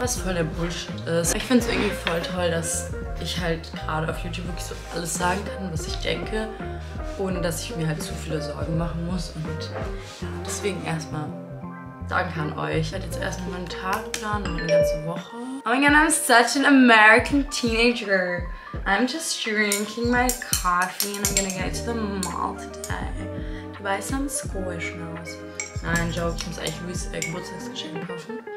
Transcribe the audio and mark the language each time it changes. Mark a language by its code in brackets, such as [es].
[de] Was voll der Bullshit ist. Ich finde es irgendwie voll toll, dass ich halt gerade auf YouTube wirklich so alles sagen kann, was ich denke, ohne dass ich mir halt zu viele Sorgen machen muss. Und deswegen erstmal danke an euch. Ich werde jetzt erstmal meinen Tag planen und eine ganze Woche. Oh mein Gott, [en] I'm such an American teenager. I'm just drinking my coffee and I'm gonna go to the mall today to buy some Squishmallows. [de] Nein, Joke, ich muss eigentlich Louis Geburtstagsgeschenk kaufen.